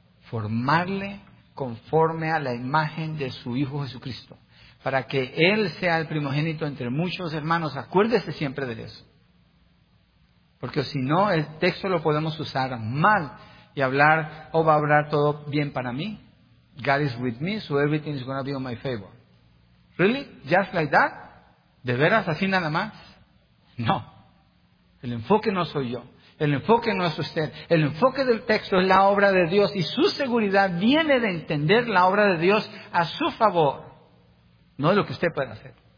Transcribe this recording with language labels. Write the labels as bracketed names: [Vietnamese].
[Spanish] Formarle conforme a la imagen de su Hijo Jesucristo, para que Él sea el primogénito entre muchos hermanos. Acuérdese siempre de eso. Porque si no, el texto lo podemos usar mal y hablar, va a hablar todo bien para mí. [English] God is with me, so everything is going to be in my favor. ¿Really? ¿Just like that? [Spanish] ¿De veras? ¿Así nada más? No. El enfoque no soy yo. El enfoque no es usted. El enfoque del texto es la obra de Dios, y su seguridad viene de entender la obra de Dios a su favor, no lo que usted puede hacer.